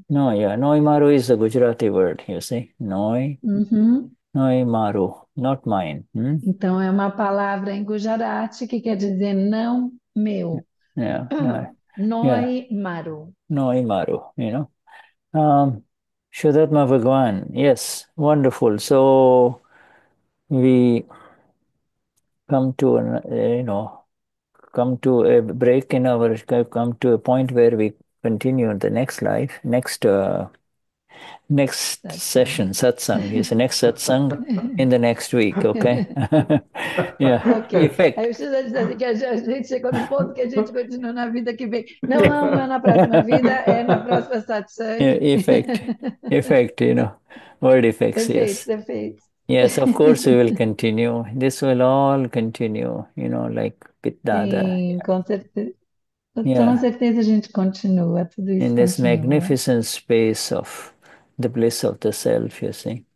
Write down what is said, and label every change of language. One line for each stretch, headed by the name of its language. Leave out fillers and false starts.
English: No, yeah, noi maru is a Gujarati word, you see? Noi, noi maru, not mine.
Portuguese: Então é uma palavra em Gujarati que quer dizer não meu.
Gujarati: Noi Maru. Noi maru, Shuddhatma Bhagwan, yes, wonderful.
English: So we come to come to a break in our, come to a point where we continue the next life, next session, Satsang. satsang, yes, next satsang in the next week, okay? Ok. Effect.
Portuguese: Aí você vai dizer assim que a gente chegou no ponto que a gente continua na vida que vem. Não, não, não é na próxima vida, é na próxima satsang.
English: Effect, word effects,
Portuguese: Efeitos, efeitos.
English: Yes, of course we will continue. This will all continue, like with Dada.
Portuguese: Sim, com certeza a gente continua, tudo isso
English: In this
Portuguese: continua.
English: magnificent space of the bliss of the self, you see.